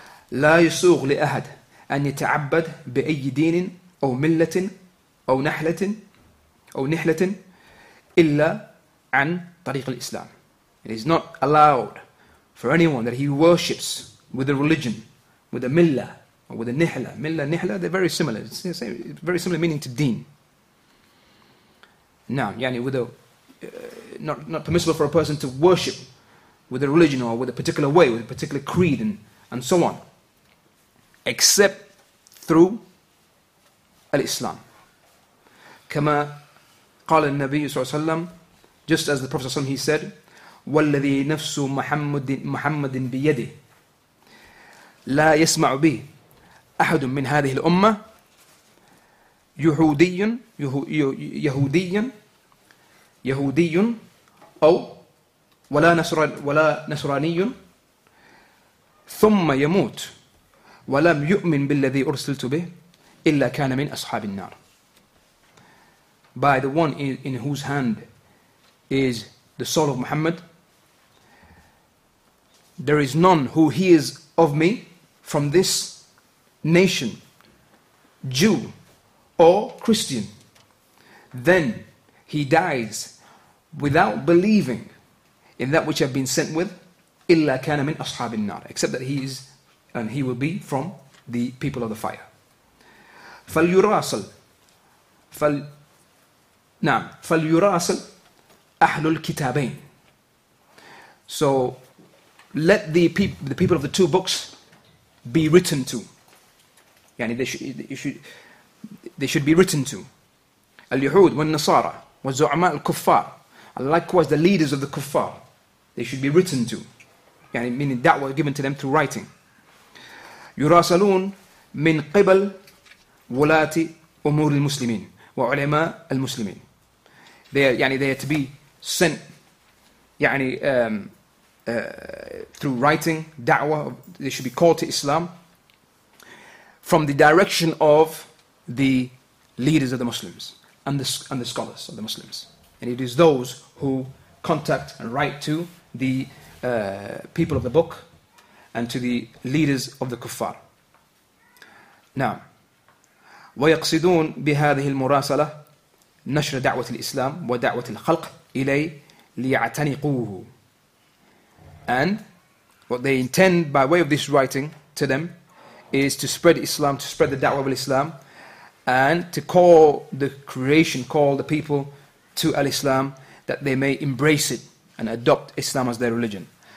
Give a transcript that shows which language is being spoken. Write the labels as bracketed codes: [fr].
[ar] لا يسوغ لأحد أن يتعبد بأي دين أو ملة أو نحلة أو نحلة إلا عن طريق الإسلام. [en] It is not allowed for anyone that he worships with a religion, with a ملة or with a نحلة. ملة, نحلة, they're very similar. It's very similar meaning to deen. نعم, يعني with a not permissible for a person to worship with a religion or with a particular way, with a particular creed and so on, except through al-Islam. [ar] كما قال النبي صلى الله عليه وسلم, [en] just as the Prophet صلى الله عليه وسلم, he said, [ar] والذي نفس محمد بيده لا يسمع به أحد من هذه الأمة يهودي أو ولا نصراني ثم يموت ولم يؤمن بالذي أرسلت به إلا كان من أصحاب النار. [en] By the one in whose hand is the soul of Muhammad, there is none who hears of me from this nation, Jew or Christian, then he dies without believing in that which I've been sent with, [ar] إلا كان من أصحاب النار, [en] except that he is and he will be from the people of the fire. [ar] فليراسل نعم فليراسل أهل الكتابين. [en] So let the people of the two books be written to. يعني they should be written to. [ar] اليهود والنصارى وزعماء الكفار. [en] And likewise the leaders of the kuffar, they should be written to. يعني meaning that was given to them through writing. [ar] يراسلون من قبل ولاة أمور المسلمين وعلماء المسلمين. [en] They are to be sent through writing, da'wah, they should be called to Islam from the direction of the leaders of the Muslims and the scholars of the Muslims. And it is those who contact and write to the people of the book and to the leaders of the kuffar. [ar] نعم ويقصدون بهذه المراسلة نشر دعوة الإسلام ودعوة الخلق إلي ليعتنقوه. [en] And what they intend by way of this writing to them is to spread Islam, to spread the da'wah of Islam, and to call the creation, call the people to al-Islam, that they may embrace it and adopt Islam as their religion.